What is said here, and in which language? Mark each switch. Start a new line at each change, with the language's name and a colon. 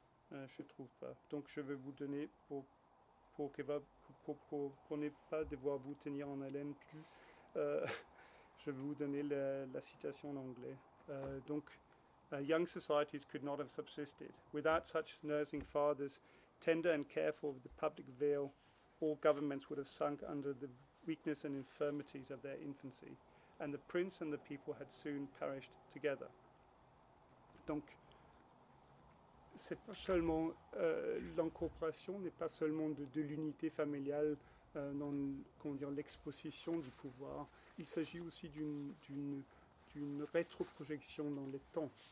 French: Je trouve pas. Donc je vais vous donner pour ne pas devoir vous tenir en haleine plus. Je vais vous donner la citation en anglais.
English: Donc, young societies could not have subsisted without such nursing fathers, tender and careful of the public veil. All governments would have sunk under the weakness and infirmities of their infancy, and the prince and the people had soon perished together.
French: Donc c'est pas seulement l'incorporation n'est pas seulement de l'unité familiale dans l'exposition du pouvoir. Il s'agit aussi d'une rétroprojection dans le temps.